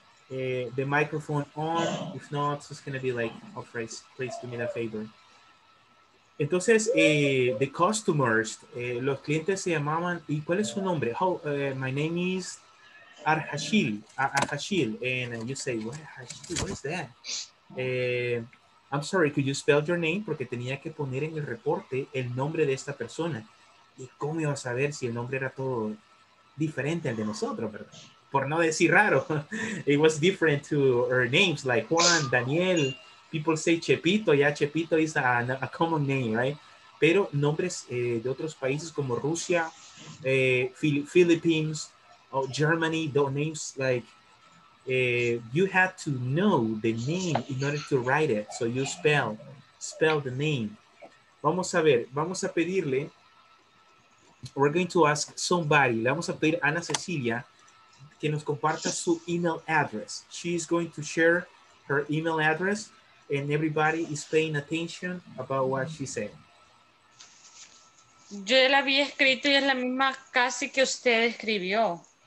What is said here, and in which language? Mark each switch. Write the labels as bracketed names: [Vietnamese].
[English] the microphone on, if not, it's going to be like, oh, please do me that favor. [Spanish] Entonces, [English] the customers, [Spanish] los clientes se llamaban, ¿y cuál es su nombre? [English] My name is Arhashil, and you say, what is that? I'm sorry, could you spell your name? [Spanish] Porque tenía que poner en el reporte el nombre de esta persona. ¿Y cómo iba a saber si el nombre era todo diferente al de nosotros, verdad? Por no decir raro, [English] it was different to our names, like Juan, Daniel, people say Chepito, yeah, Chepito is a common name, right? [Spanish] Pero nombres de otros países como Rusia, [English] Philippines, or Germany, those names, like, you had to know the name in order to write it, so you spell the name. [Spanish] Vamos a ver, vamos a pedirle, [English] we're going to ask somebody, [Spanish] le vamos a pedir a Ana Cecilia, que nos comparta su email address. [English] She's going to share her email address and everybody is paying attention about what she said. [Spanish] Yo la había escrito y es la misma casi que usted escribió.